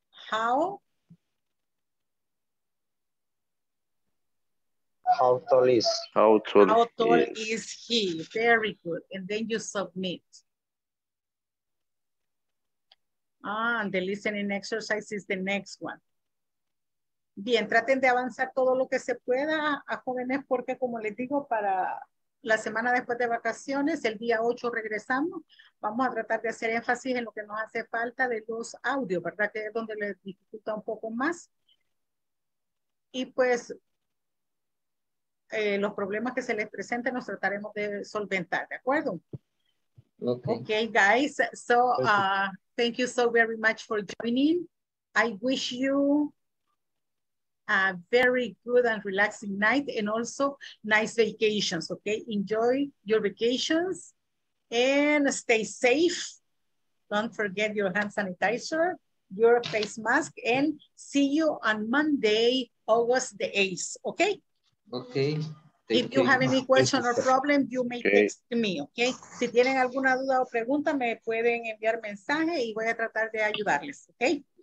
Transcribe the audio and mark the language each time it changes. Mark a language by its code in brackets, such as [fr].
[en] How tall is he? Very good. And then you submit. And the listening exercise is the next one. [es] Bien, traten de avanzar todo lo que se pueda a jóvenes, porque como les digo, para la semana después de vacaciones, el día 8 regresamos, vamos a tratar de hacer énfasis en lo que nos hace falta de los audios, ¿verdad? Que es donde les dificulta un poco más. Y pues, los problemas que se les presenten los trataremos de solventar, ¿de acuerdo? [en] Okay guys, so thank you so very much for joining. I wish you a very good and relaxing night and also nice vacations, okay? Enjoy your vacations and stay safe. Don't forget your hand sanitizer, your face mask, and see you on Monday, August the 8th, okay? Okay. If you have any question or problem, you may text me, okay? [es] Si tienen alguna duda o pregunta, me pueden enviar mensaje y voy a tratar de ayudarles, okay?